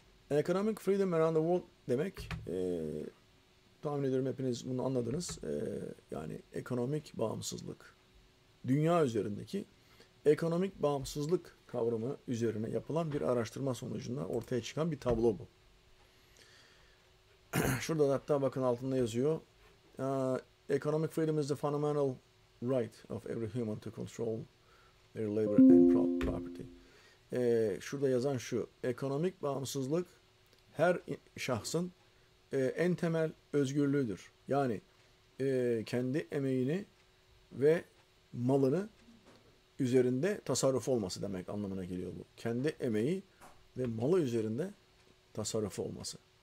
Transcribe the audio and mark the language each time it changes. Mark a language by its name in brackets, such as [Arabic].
[English] Economic freedom around the world [Turkish] demek tahmin ediyorum hepiniz bunu anladınız. Yani ekonomik bağımsızlık. Dünya üzerindeki ekonomik bağımsızlık kavramı üzerine yapılan bir araştırma sonucunda ortaya çıkan bir tablo bu. Şurada da hatta bakın altında yazıyor. [English] Economic freedom is the fundamental right of every human to control their labor and property. [Turkish] Şurada yazan şu. Ekonomik bağımsızlık her şahsın en temel özgürlüğüdür. Yani kendi emeğini ve malını üzerinde tasarruf olması demek anlamına geliyor bu. Kendi emeği ve malı üzerinde tasarrufu olması.